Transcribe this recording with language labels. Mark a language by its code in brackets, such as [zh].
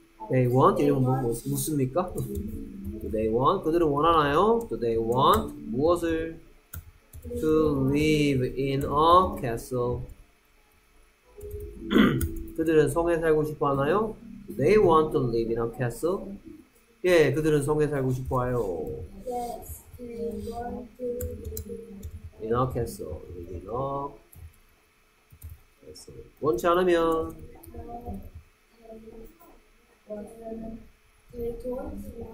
[en] They want? [ko] 이러면 묻습니까? [en] Do they want? [ko] 그들은 원하나요? [en] Do they want? 무엇을? To live in a castle. [ko] 그들은 성에 살고 싶어 하나요? [en] Do they want to live in a castle? [ko] 예, 그들은 성에 살고 싶어 해요. [en] Yes, we want to In a castle, live in a castle. [ko] 원치 않으면 [en] they don't want